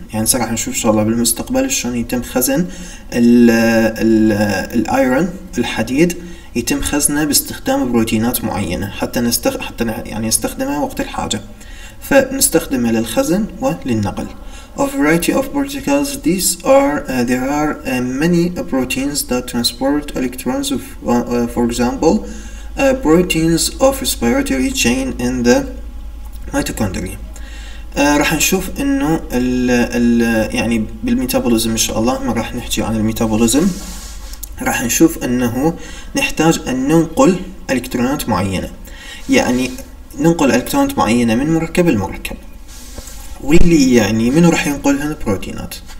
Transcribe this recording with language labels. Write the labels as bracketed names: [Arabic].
[Arabic] يعني صراحة نشوف ان شاء الله بالمستقبل شلون يتم خزن الايرون، الحديد يتم خزنه باستخدام بروتينات معينة حتى يعني نستخدمه وقت الحاجة، فنستخدمه للخزن وللنقل. [English] A variety of particles. There are many proteins that transport electrons of, for example, proteins of respiratory chain in the mitochondria. [Arabic] راح نشوف انه الـ يعني بالميتابوليزم ان شاء الله، ما راح نحكي عن الميتابوليزم، راح نشوف انه نحتاج ان ننقل الكترونات معينة، يعني ننقل الكترونات معينة من مركب لمركب، واللي يعني منو راح ينقلها؟ البروتينات.